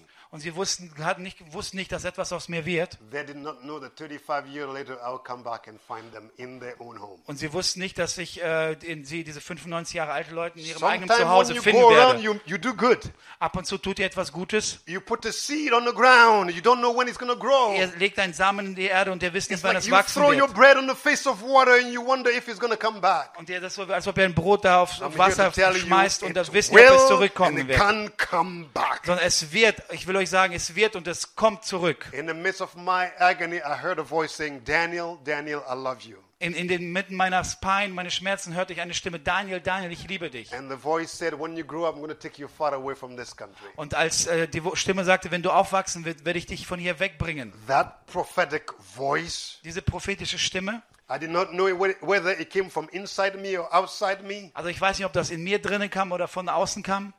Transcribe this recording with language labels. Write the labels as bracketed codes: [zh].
[de] Und sie wussten nicht, dass etwas aus mir wird. Und sie wussten nicht, dass ich diese 95 Jahre alten Leute in ihrem eigenen Zuhause finden werde. [en] Around, you do good. [de] Ab und zu tut ihr etwas Gutes. [en] You put a seed on the ground. You don't know when it's gonna grow. [de] Ihr legt einen Samen in die Erde und ihr wisst nicht, wann [en] like [de] es wachsen [en] throw [de] wird. [en] Your bread on the face of water and you wonder if it's gonna come back. [de] Und ihr das so, als ob ihr ein Brot da auf Wasser schmeißt und das wisst ihr, ob es zurückkommen wird. [en] Can come back. [de] Sondern es wird. Ich will euch sagen, es wird und es kommt zurück. [en] In the midst of my agony, I heard a voice saying, "Daniel, Daniel, I love you." [de] In den Mitten meiner Pein, meine Schmerzen, hörte ich eine Stimme: "Daniel, Daniel, ich liebe dich." [en] And the voice said, "When you grow up, I'm going to take you far away from this country." [de] Und als die Stimme sagte, wenn du aufwachsen wirst, werde ich dich von hier wegbringen. [en] That prophetic voice. [de] Diese prophetische Stimme. [en] I did not know whether it came from inside me or outside me. [de] Also ich weiß nicht, ob das in mir drinnen kam oder von außen kam.